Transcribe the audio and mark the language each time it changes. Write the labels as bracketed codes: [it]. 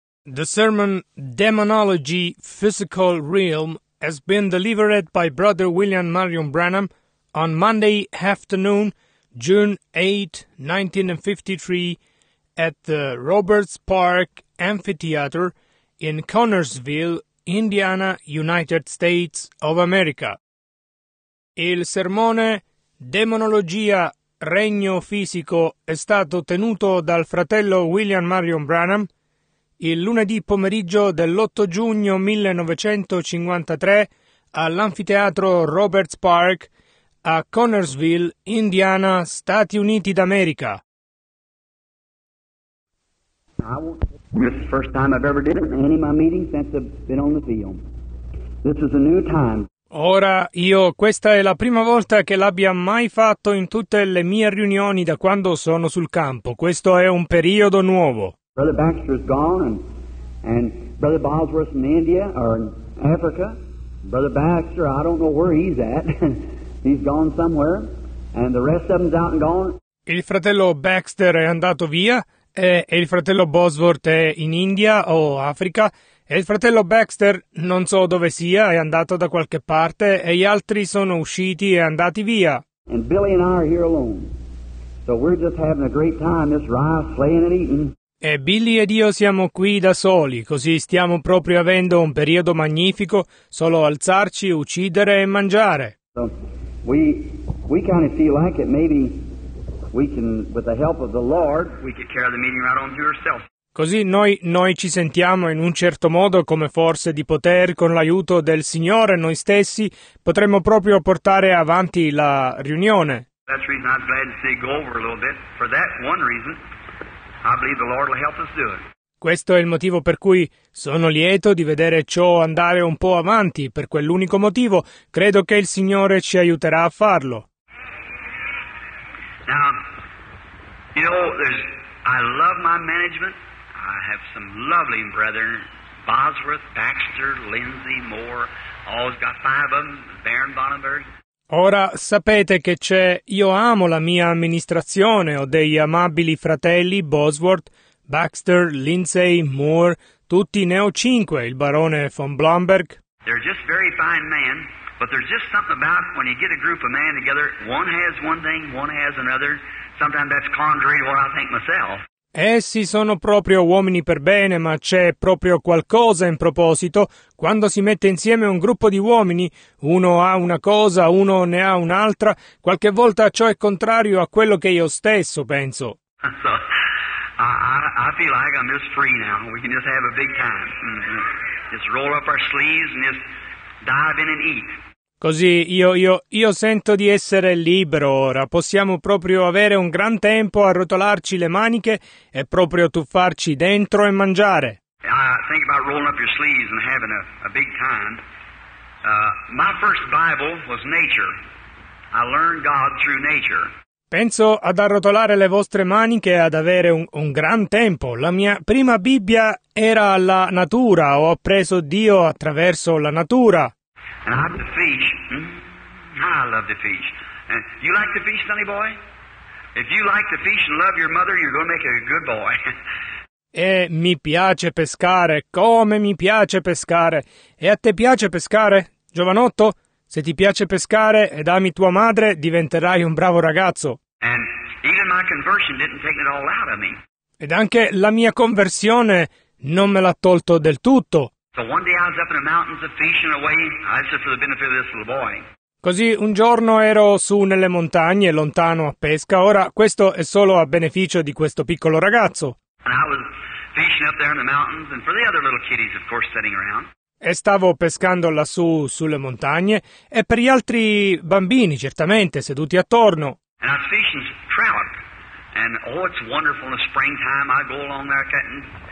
[en] The sermon Demonology, Physical Realm has been delivered by Brother William Marion Branham on Monday afternoon, June 8, 1953, at the Roberts Park Amphitheater in Connersville, Indiana, United States of America. [it] Il sermone Demonologia, Regno Fisico è stato tenuto dal fratello William Marion Branham il lunedì pomeriggio dell'8 giugno 1953 all'anfiteatro Roberts Park a Connersville, Indiana, Stati Uniti d'America. [en] This is the first time I've ever did it in any of my meetings since I've been on the field. This is a new time. [it] Ora io questa è la prima volta che l'abbia mai fatto in tutte le mie riunioni da quando sono sul campo. Questo è un periodo nuovo. [en] Brother Baxter is gone, and Brother Bosworth in India or in Africa. Brother Baxter, I don't know where he's at. He's gone somewhere, and the rest of them's out and gone. [it] Il fratello Baxter è andato via, e il fratello Bosworth è in India o Africa. E il fratello Baxter, non so dove sia, è andato da qualche parte, e gli altri sono usciti e andati via. [en] And Billy and I are here alone, so we're just having a great time, just rice, slaying and eating. [it] E Billy ed io siamo qui da soli, così stiamo proprio avendo un periodo magnifico, solo alzarci, uccidere e mangiare. [en] So, we kind of feel like it, maybe we can, with the help of the Lord, we could carry the meeting right on to yourself. [it] Così noi ci sentiamo in un certo modo come forse di poter, con l'aiuto del Signore, noi stessi, potremmo proprio portare avanti la riunione. [en] That's the reason I'm glad to see go over a little bit, for that one reason. I believe the Lord will help us do it. [it] Questo è il motivo per cui sono lieto di vedere ciò andare un po' avanti, per quell'unico motivo. Credo che il Signore ci aiuterà a farlo. [en] Now, you know, I love my management. I have some lovely brethren, Bosworth, Baxter, Lindsay, Moore, always got five of them, Baron Bonnenberg. [it] Ora sapete che c'è, io amo la mia amministrazione, ho degli amabili fratelli, Bosworth, Baxter, Lindsay, Moore, tutti ne ho cinque, il barone von Blomberg. [en] They're just very fine men, but there's just something about when you get a group of men together, one has one thing, one has another, sometimes that's contrary to what I think myself. [it] Essi sono proprio uomini per bene, ma c'è proprio qualcosa in proposito. Quando si mette insieme un gruppo di uomini, uno ha una cosa, uno ne ha un'altra, qualche volta ciò è contrario a quello che io stesso penso. [en] I feel like I'm just free now. We can just have a big time. Just roll up our sleeves and just dive in and eat. [it] Così io sento di essere libero ora, possiamo proprio avere un gran tempo a rotolarci le maniche e proprio tuffarci dentro e mangiare. [en] I think about rolling up your sleeves and having a big time. My first Bible was nature. I learned God through nature. [it] Penso ad arrotolare le vostre maniche e ad avere un gran tempo. La mia prima Bibbia era la natura, ho appreso Dio attraverso la natura. [en] And I love to fish. I love to fish. And you like to fish, sonny boy? If you like to fish and love your mother, you're going to make a good boy. [it] E mi piace pescare. Come mi piace pescare. E a te piace pescare, giovanotto? Se ti piace pescare ed ami tua madre, diventerai un bravo ragazzo. [en] And even my conversion didn't take it all out of me. [it] Ed anche la mia conversione non me l'ha tolto del tutto. [en] So one day I was up in the mountains of fishing away, I said for the benefit of this little boy. [it] Così un giorno ero su nelle montagne, lontano a pesca, ora questo è solo a beneficio di questo piccolo ragazzo. [en] And I was fishing up there in the mountains, and for the other little kiddies, of course, sitting around. [it] E stavo pescando lassù, sulle montagne, e per gli altri bambini, certamente, seduti attorno. [en] And I was fishing trout, and oh, it's wonderful in the springtime, I go along there cutting.